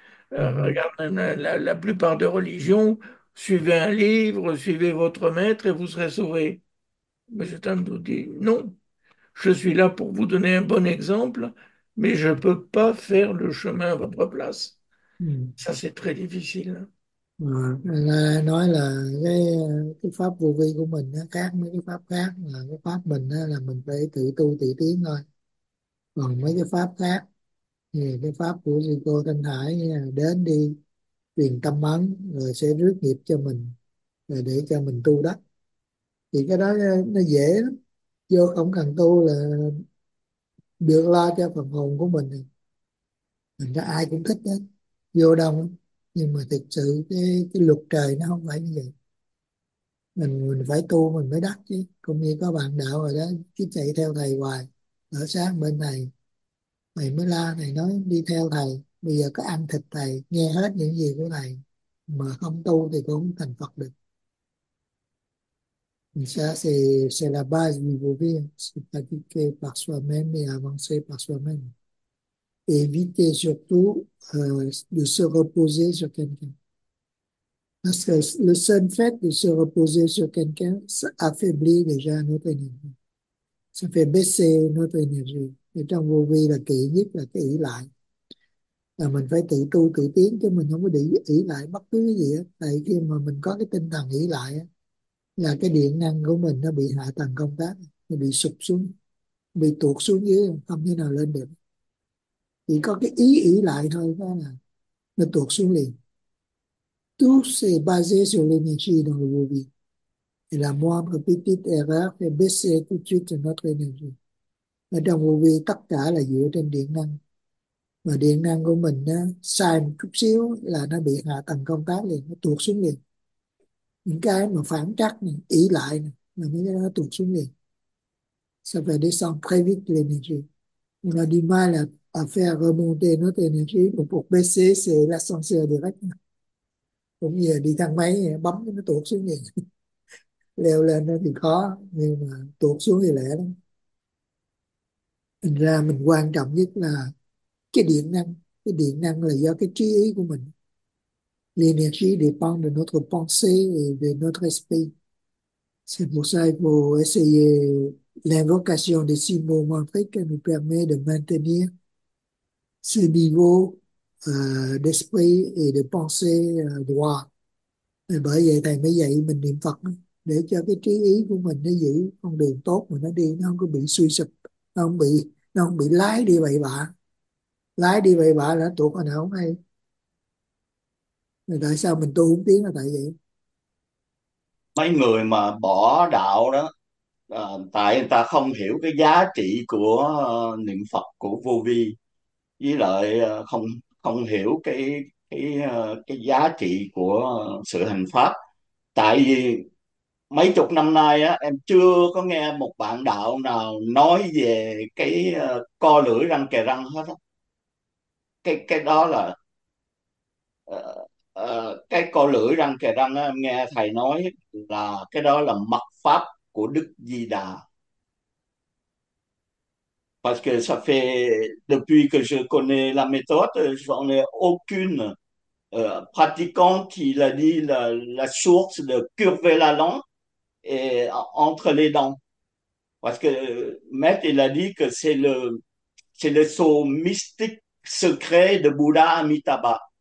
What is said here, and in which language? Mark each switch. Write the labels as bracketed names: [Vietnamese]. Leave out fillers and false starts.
[French] Regarde, la plupart des religions, suivez un livre, suivez votre maître et vous serez sauvés. Monsieur Tam nous dit, non, je suis là pour vous donner un bon exemple, mais je ne peux pas faire le chemin à votre place. Ça, c'est très difficile. [Vietnamese] Là, nói là cái pháp vô vi của mình nó khác mấy cái pháp khác, là cái pháp mình đó là mình phải tự tu tự tiến thôi, còn mấy cái pháp khác thì cái pháp của sư cô Thanh Hải đến đi truyền tâm ấn rồi sẽ rước nghiệp cho mình rồi để cho mình tu đó, thì cái đó nó dễ lắm, vô không cần tu là được lo cho phần hồn của mình đó, ai cũng thích đó, vô đông. Nhưng mà thực sự cái luật trời nó không phải như vậy, mình phải tu mình mới đắc chứ, cũng như có bạn đạo rồi đó cứ chạy theo thầy hoài, ở sáng bên này mày mới la thầy nói đi theo thầy, bây giờ có ăn thịt thầy, nghe hết những gì của thầy mà không tu thì cũng không thành Phật được. [French] C'est la base du vô vi, c'est-à-dire que par soi-même et avancer par soi-même. Éviter surtout de se reposer sur quelqu'un. Parce que le seul fait de se reposer sur quelqu'un, ça affaiblit déjà notre énergie. Ça fait baisser notre énergie. [Vietnamese] Et trong vô vi là kỵ nhất là cái ỷ lại. Là mình phải tự tu tự tiến chứ mình không có để ỷ lại bất cứ cái gì hết. Tại khi mà mình có cái tinh thần ỷ lại ấy, là cái điện năng của mình nó bị hạ tầng công tác, nó bị sụp xuống, bị tuột xuống dưới, không thể nào lên được. Chỉ có cái ý ỷ lại thôi đó là nó tuột xuống liền. [French] Tout se baser sur l'énergie dans le vô vi. Et la moindre petite erreur fait baisser tout de suite notre énergie. [Vietnamese] Ở trong vô vi tất cả là dựa trên điện năng. Mà điện năng của mình nó sai một chút xíu là nó bị hạ tầng công tác liền, nó tuột xuống liền. Những cái mà phản trắc này, ỷ lại này, là mấy cái nó tuột xuống liền. Ça va descendre très vite l'énergie. On a du mal à faire remonter notre énergie pour baisser, c'est l'ascenseur direct. Cũng như đi thang máy, bấm nó tuột xuống vậy. Leo lên nó thì khó, nhưng mà tuột xuống thì lẹ lắm. Thành ra mình quan trọng nhất là cái điện năng. Cái điện năng là do cái trí ý của mình. [French] L'énergie dépend de notre pensée et de notre esprit. C'est pour ça qu'il faut essayer l'invocation des six mots mantriques qui nous permet de maintenir ce niveau d'esprit et de pensée droit. [Vietnamese] Et bởi vậy thầy mới dạy mình niệm Phật để cho cái trí ý của mình nó giữ con đường tốt mà nó đi, nó không có bị suy sụp, nó không bị lái đi bậy bạ. Lái đi bậy bạ là tuột hồi nào không hay. Rồi tại sao mình tu không tiến là tại vậy? Mấy người mà bỏ đạo đó, tại người ta không hiểu cái giá trị của niệm Phật của vô vi, với lại không không hiểu cái giá trị của sự hành pháp. Tại vì mấy chục năm nay á, em chưa có nghe một bạn đạo nào nói về cái co lưỡi răng kề răng hết á. Cái đó là cái co lưỡi răng kề răng á, em nghe thầy nói là cái đó là mật pháp của Đức Di Đà. [French] Parce que ça fait depuis que je connais la méthode, j'en ai aucune pratiquante qui l'a dit la source de curver la langue et entre les dents. Parce que Maître, il a dit que c'est le sceau mystique secret de Bouddha Amitabha.